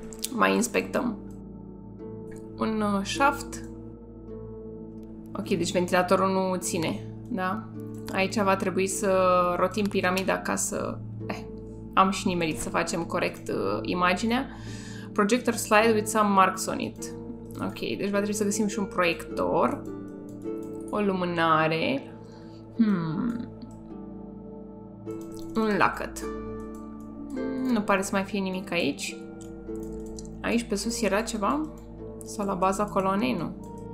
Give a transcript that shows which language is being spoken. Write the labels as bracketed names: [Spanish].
[Romanian] Mai inspectăm. Un shaft. Ok, deci ventilatorul nu ține, da? Aici va trebui să rotim piramida ca să... Am și nimerit să facem corect imaginea. [English] Projector slide with some marks on it. [Romanian] Ok, deci va trebui să găsim și un proiector. O lumânare. Un lacăt. Nu pare să mai fie nimic aici. Aici pe sus era ceva? Sau la baza coloanei? Nu.